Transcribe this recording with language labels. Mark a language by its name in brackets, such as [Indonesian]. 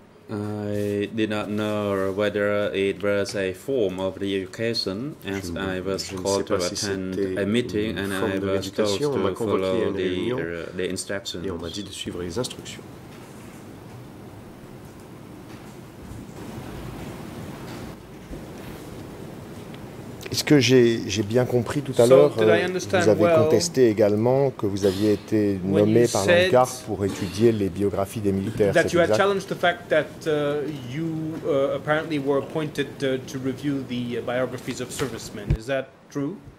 [English] I did not know whether it was a form of the education, as I was called to attend a meeting and I was told to follow the instructions. [French] Et on m'a dit de suivre les instructions. Est-ce que j'ai bien compris tout à l'heure, vous avez contesté également que vous aviez été nommé par l'ANCAR pour étudier les biographies des militaires, c'est exact? [English] Challenged the fact that you apparently were appointed to review the biographies of servicemen, is that true?